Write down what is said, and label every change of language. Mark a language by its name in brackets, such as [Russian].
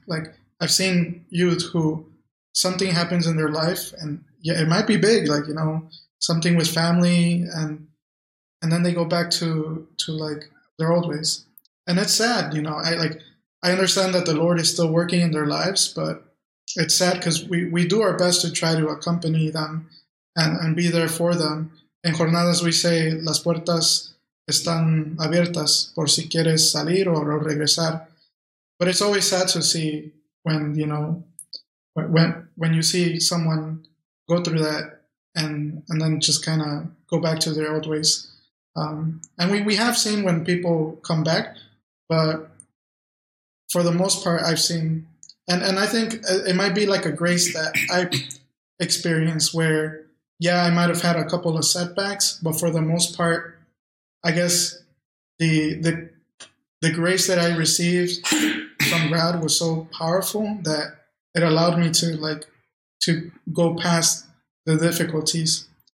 [English] Like I've seen youth who something happens in their life, and yeah, it might be big, like, you know, something with family, and then they go back to like their old ways, and it's sad, you know. I understand that the Lord is still working in their lives, but it's sad because we do our best to try to accompany them and be there for them. In Jornadas, we say, [Spanish] las puertas están abiertas por si quieres salir o regresar. [English] But it's always sad to see when, you know, when you see someone go through that and then just kind of go back to their old ways. And we have seen when people come back, but for the most part, I've seen, and I think it might be like a grace that I experienced where, yeah, I might have had a couple of setbacks, but for the most part, I guess the grace that I received from God was so powerful that it allowed me to like to go past the difficulties.